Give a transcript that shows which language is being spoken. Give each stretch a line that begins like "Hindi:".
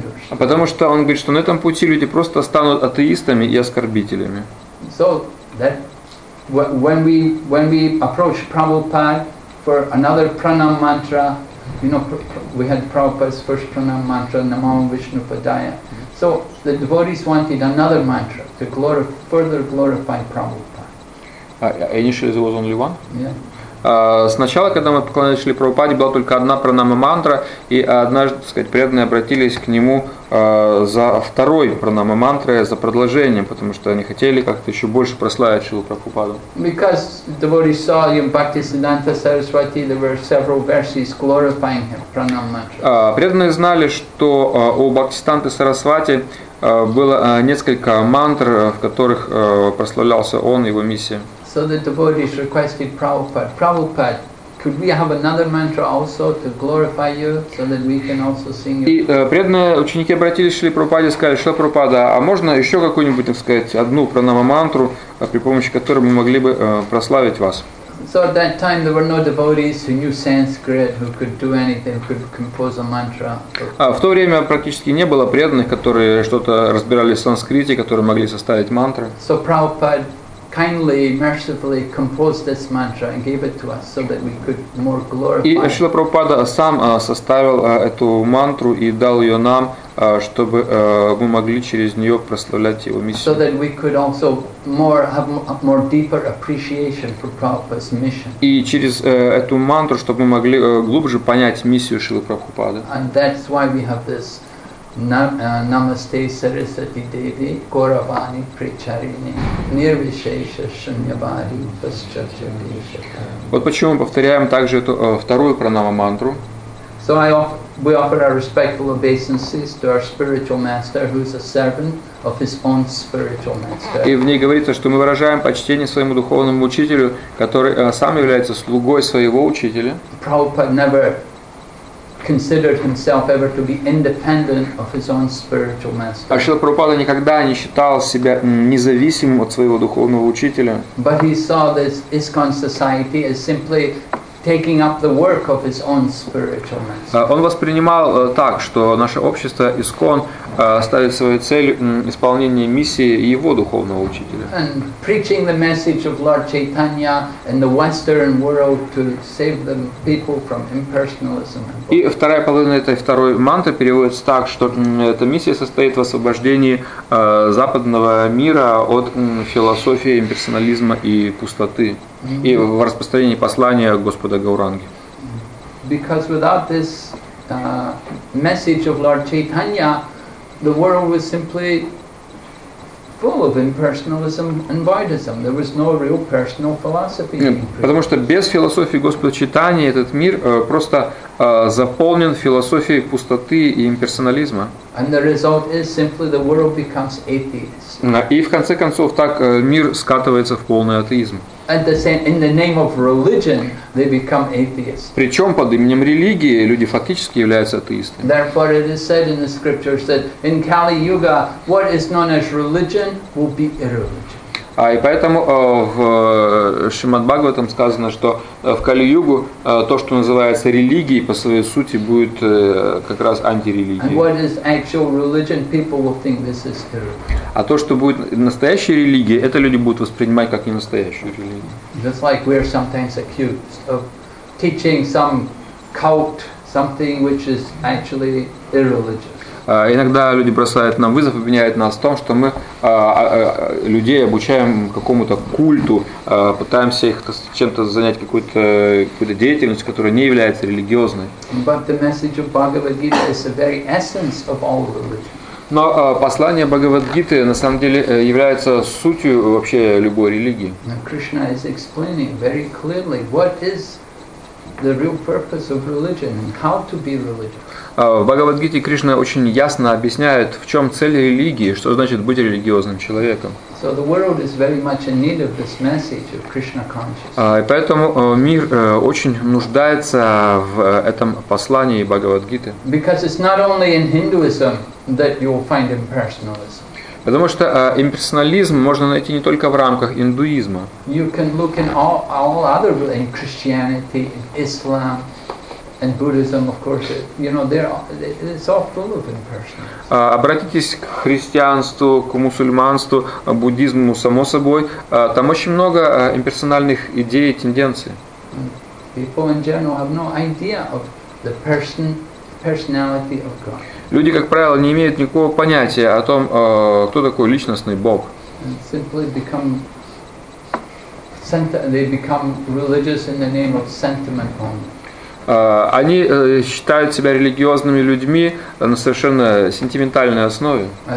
Russian: Потому что он говорит, что на этом пути люди просто станут атеистами и оскорбителями.
English: So that when we approach Prabhupada for another pranam mantra, you know, we had Prabhupada's first pranam mantra,
Sanskrit: Namo Vishnu Padaya.
English: So the devotees wanted another mantra to further glorify Prabhupada. Initially there was only one? Yeah.
Russian: Сначала, когда мы поклонялись Шри Прабхупаде, была только одна пранама мантра, и однажды, так сказать, преданные обратились к нему за второй пранама мантрой, за продолжением, потому что они хотели как-то еще больше прославить Шри Прабхупаду.
English: Because devotees saw in Bhaktisiddhanta Saraswati there were several verses glorifying him, pranama mantra.
Russian: Преданные знали, что у Бхактисиддханты Сарасвати было несколько мантр, в которых прославлялся он и его миссия.
English: So the devotees requested Prabhupada, Prabhupada, could we have another mantra also to glorify you, so that we can also sing your...
Russian: И преданные ученики обратились к Шри Прабхупаде и сказали, что Прабхупада, а можно еще какую-нибудь, так сказать, одну пранама мантру, при помощи которой мы могли бы прославить вас?
English: So at that time there were no devotees who knew Sanskrit, who could do anything, could compose a mantra.
Russian: В то время практически не было преданных, которые что-то разбирали в санскрите, которые могли составить мантры.
English: So Prabhupada kindly, mercifully composed this mantra and gave it to us so that we could more glorify.
Russian: И Шрила Прабхупада сам составил эту мантру и дал ее нам, чтобы мы могли через нее прославлять его миссию.
English: So that we could also more have more deeper appreciation for Prabhupada's mission.
Russian: И через эту мантру, чтобы мы могли глубже понять миссию Шрила Прабхупады.
English: And that's why we have this
Sanskrit: Namaste Sarasvati Devi Gauravani Pricharini Nirvishesha Shunyavadi Paschacharyashakam.
Russian: Вот почему мы повторяем также эту вторую пранама мантру.
English: So we offer our respectful obeisances to our spiritual master, who is a servant of his own spiritual master.
Russian: И в ней говорится, что мы выражаем почтение своему духовному учителю, который сам является слугой своего учителя.
English: Prabhupada never considered himself ever to be independent of his own spiritual master.
Russian: А Шрила Прабхупада никогда не считал себя независимым от своего духовного учителя.
English: But he saw this ISKCON society as simply taking up the work of his own spiritual master.
Russian: Он воспринимал так, что наше общество ISKCON ставит своей целью исполнение миссии его духовного учителя.
English: And preaching the message of Lord Chaitanya in the Western world to save the people from impersonalism.
Russian: И вторая половина этой второй мантры переводится так, что эта миссия состоит в освобождении западного мира от философии имперсонализма и пустоты. И в распространении послания Господа Гауранги.
English: Because without this message of Lord Chaitanya, the world was simply full of impersonalism and Buddhism. There was no real personal philosophy.
Russian: Потому что без философии Господа Чайтаньи этот мир просто заполнен философией пустоты и имперсонализма.
English: And the result is simply the world becomes atheist.
Russian: И в конце концов так мир скатывается в полный атеизм.
English: And the same, in the name of religion, they become atheists.
Russian: Причем под именем религии люди фактически являются атеистами.
English: Therefore, it is said in the scriptures that in Kali Yuga, what is known as religion will be irreligion.
Russian: А и поэтому в Шримад Бхагаватам сказано, что в Кали Югу то, что называется религией, по своей сути будет как раз антирелигией.
English: And what is actual religion, people will think this is true.
Russian: А то, что будет настоящей религией, это люди будут воспринимать как ненастоящую религию.
English: Just like we are sometimes accused of teaching some cult something which is actually irreligious.
Russian: Иногда люди бросают нам вызов, обвиняют нас в том, что мы людей обучаем какому-то культу, пытаемся их чем-то занять, какую-то деятельность, которая не является религиозной.
English: But the message of Bhagavad-gita is the very essence of all religion.
Russian: Но послание Бхагавад-гиты на самом деле является сутью вообще любой религии.
English: Now Krishna is explaining very clearly what is the real purpose of religion and how to be religious.
Russian: В Бхагавад-гите Кришна очень ясно объясняет, в чем цель религии, что значит быть религиозным человеком.
English: So the world is very much in need of this message of Krishna consciousness.
Russian: И поэтому мир очень нуждается в этом послании Бхагавад-гиты.
English: Because it's not only in Hinduism that you will find impersonalism.
Russian: Потому что имперсонализм можно найти не только в рамках индуизма.
English: You can look in all other in Christianity, in Islam. And Buddhism, of course, you know, it's all full of impersonalism.
Russian: Обратитесь к христианству, к мусульманству, буддизму, само собой. Там очень много имперсональных идей и тенденций.
English: People in general have no idea of the personality of God.
Russian: Люди, как правило, не имеют никакого понятия о том, кто такой личностный Бог.
English: They become religious in the name of sentiment only.
Russian: Они считают себя религиозными людьми на совершенно сентиментальной основе.